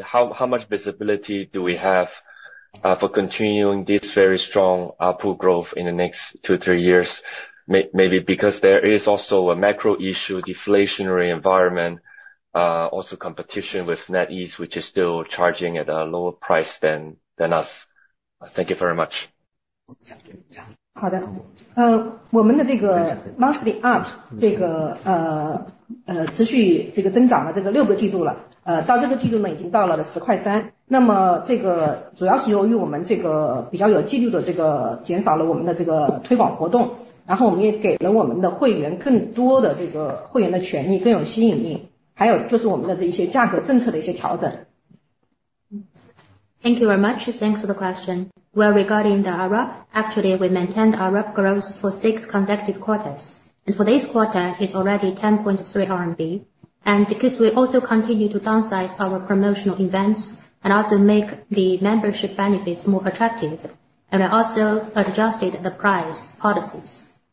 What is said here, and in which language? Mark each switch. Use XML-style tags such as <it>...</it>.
<en>How much visibility do we have for continuing this very strong ARPU growth in the next 2-3 years? Maybe because there is also a macro issue, deflationary environment, also competition with NetEase, which is still charging at a lower price than us. Thank you very much.</en> <zh>好的，我们的这个</zh> <en>monthly apps</en> <zh>持续这个增长了这个六个季度了，到这个季度呢已经到了十块三。那么这个主要是由于我们这个比较有纪律的这个减少了我们的这个推广活动，然后我们也给了我们的会员更多的这个会员的权益，更有吸引力，还有就是我们的这些价格政策的一些调整。</zh> <en>Thank you very much. Thanks for the question. Well, regarding the ARPU, actually, we maintained ARPU growth for 6 consecutive quarters. And for this quarter, it's already 10.3 RMB. And because we also continue to downsize our promotional events and also make the membership benefits more attractive, and we also adjusted the price policies.</en>